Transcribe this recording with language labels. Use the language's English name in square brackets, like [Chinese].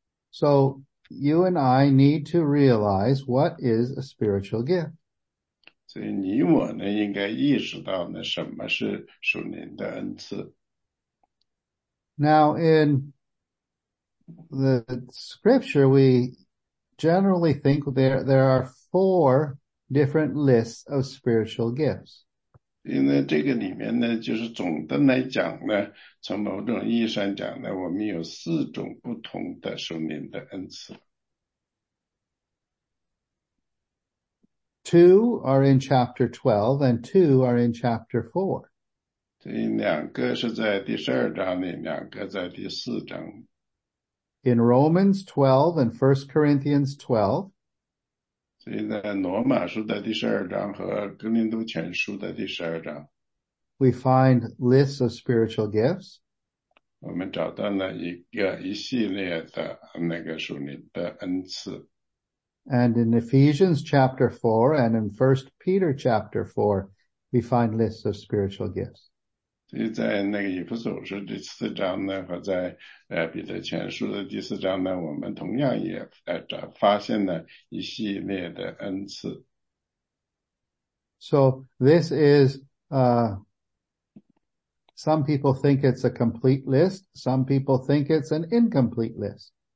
[English] So you and I need to realize what is a spiritual gift. [Chinese] 所以你我呢，应该意识到呢，什么是属灵的恩赐。 [English] Now, in the scripture, we generally think there are four different lists of spiritual gifts. [Chinese] 因为这个里面呢，就是总的来讲呢，从某种意义上讲呢，我们有四种不同的属灵的恩赐。 [English] Two are in chapter 12 and two are in chapter 4. [Chinese] 这两个是在第十二章里，两个在第四章。 [English] in Romans 12 and 1 Corinthians 12. [Chinese] 所以在罗马书的第十二章和哥林多前书的第十二章, [English] we find lists of spiritual gifts. [Chinese] 我们找到了一系列的那个属灵的恩赐。 [English] And in Ephesians chapter 4 and in 1 Peter chapter 4, we find lists of spiritual gifts. [Chinese] 所以在那个以弗所书第四章呢,和在彼得前书的第四章呢, 我们同样也发现了一系列的恩赐。 [English] So this is, some people think it's a complete list, some people think it's an incomplete list.